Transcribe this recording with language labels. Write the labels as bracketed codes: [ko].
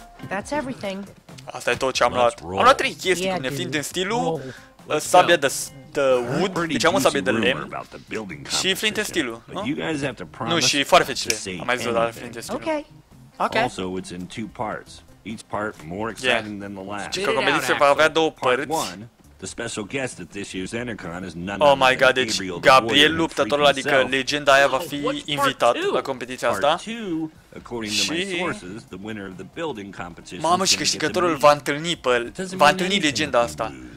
[en] That's everything. [ro] Asta e tot ce am luat. Am luat 3 chestii cu mine, fiind din stilul sabia de wood, deci am o sabie de lemn și flint în stilul, nu? Nu, și farfecile. Am mai zis la flint în stilul. [en] Okay. Okay. Also, it's in two parts. Each part more exciting than the last. [ro] Că competiția va avea două părți. [en] The special guest at this year's Endercon is none other. Oh my god, [ro] deci Gabriel luptătorul, adică legenda aia va fi invitat la competiția asta. [en] Și the winner of the building competition. [ro] Mamă, și câștigătorul va întâlni pe legenda asta.